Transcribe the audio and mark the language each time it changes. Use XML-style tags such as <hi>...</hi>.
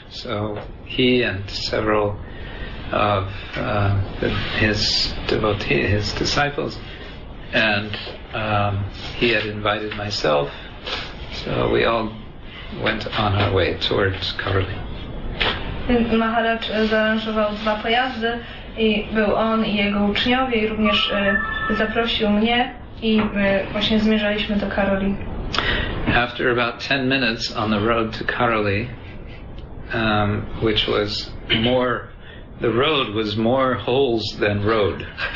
<en>So he and several of his disciples. And he had invited myself, so we all went on our way towards Karali.</en> <pl>Maharaj zaaranżował dwa pojazdy i był on i jego uczniowie i również zaprosił mnie i my właśnie zmierzaliśmy do Karali.</pl> <en>After about 10 minutes on the road to Karali, which was more the road was more holes than road.</en>